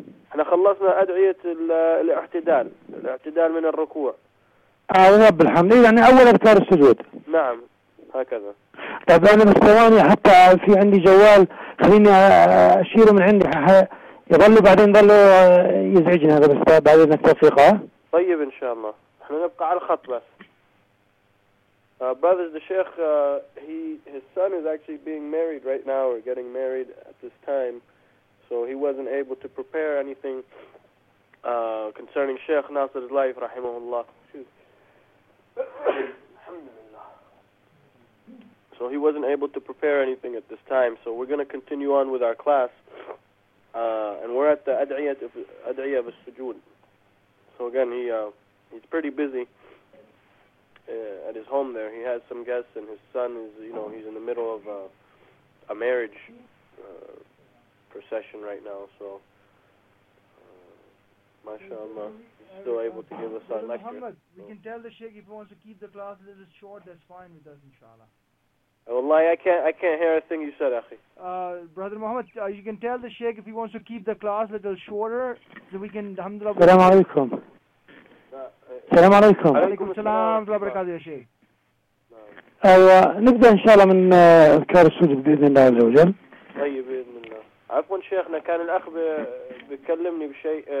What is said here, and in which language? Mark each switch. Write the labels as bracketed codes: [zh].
[ar] احنا خلصنا أدعية الاعتدال، الاعتدال من الركوع. رب الحمد. يعني أول أذكار السجود. نعم هكذا. طب أنا مستواني حتى في عندي جوال، خليني أشيره من عندي يظلوا بعدين ظلوا يزعجني هذا، بس بعدين التوفيق. طيب إن شاء الله احنا نبقى على الخط. [en] بس Brothers, the sheikh, his son is actually being married right now, or getting married at this time, so he wasn't able to prepare anything concerning Sheikh Nasir's life, rahimahullah. So he wasn't able to prepare anything at this time, so we're going to continue on with our class, and we're at the Ad'iyya of Sujood. So again, he's pretty busy. At his home there, he has some guests, and his son is, you know, he's in the middle of a marriage procession right now. So, mashallah, he's still able to give us our lecture. Muhammad, we can tell the sheikh if he wants to keep the class a little short, that's fine with us, inshallah. Wallahi, I can't hear a thing you said, akhi. Brother Muhammad, you can tell the sheikh if he wants to keep the class a little shorter, so we can, alhamdulillah. [ar] Assalamu alaikum. السلام عليكم. عليكم السلام ورحمة الله وبركاته يا شيخ. ايوه نبدا ان شاء الله من اذكار السجود باذن الله عز وجل. طيب باذن الله. عفوا شيخنا، كان الاخ بيكلمني بشيء.